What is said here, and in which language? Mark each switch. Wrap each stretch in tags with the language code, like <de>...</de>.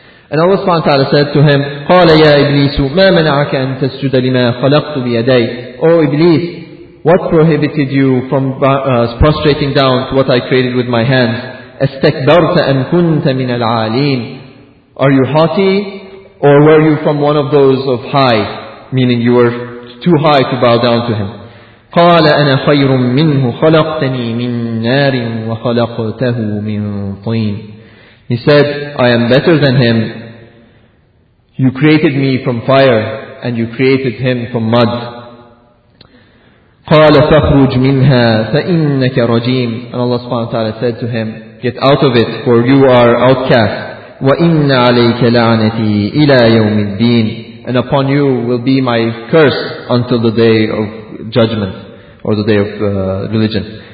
<en>And Allah subhanahu wa ta'ala said to him,</en> <ar>قَالَ يَا إِبْلِيسُ مَا مَنَعَكَ أَن تَسْجُدَ لِمَا خَلَقْتُ بِيَدَيْهِ</ar> <en>O Iblis, what prohibited you from prostrating down to what I created with my hands?</en> <ar>أَسْتَكْبَرْتَ أَن كُنْتَ مِنَ الْعَالِينَ</ar> <en>Are you haughty, or were you from one of those of high? Meaning you were too high to bow down to him.</en> <ar>قَالَ أَنَا خَيْرٌ مِّنْهُ خَلَقْتَنِي مِنْ نَارٍ وَخَلَقْتَهُ مِنْ طِينٍ</ar> <en>He said, I am better than him. You created me from fire, and you created him from mud.</en> <ar>قَالَ فَخْرُجْ مِنْهَا فَإِنَّكَ رَجِيمٌ</ar> <en>And Allah subhanahu wa ta'ala said to him, Get out of it, for you are outcast.</en> <ar>وَإِنَّ عَلَيْكَ لَعْنَتِي إِلَى يَوْمِ الدِّينِ</ar> <en>And upon you will be my curse until the day of judgment, or the day of religion.</en>